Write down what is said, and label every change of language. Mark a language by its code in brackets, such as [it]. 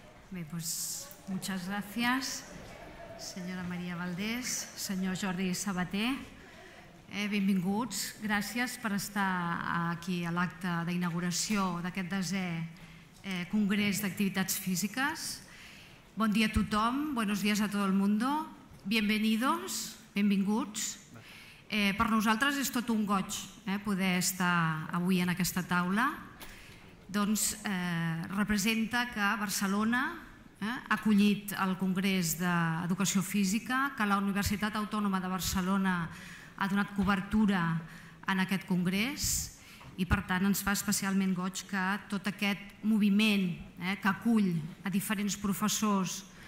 [es] Bien, pues muchas gracias, señora María Valdés, señor Jordi Sabaté. [ca] Benvinguts, gràcies per estar aquí a l'acte d'inauguració d'aquest desè Congrés d'Activitats Físiques. Bon dia a tothom, [es] buenos días a todo el mundo. Bienvenidos, benvinguts. [ca] Per nosaltres és tot un goig poder estar avui en aquesta taula. Doncs representa que Barcelona ha acollit el Congrés d'Educació Física, que la Universitat Autònoma de Barcelona ha donat cobertura en aquest congrés i, per tant, ens fa especialment goig que tot aquest moviment que acull a diferents professors,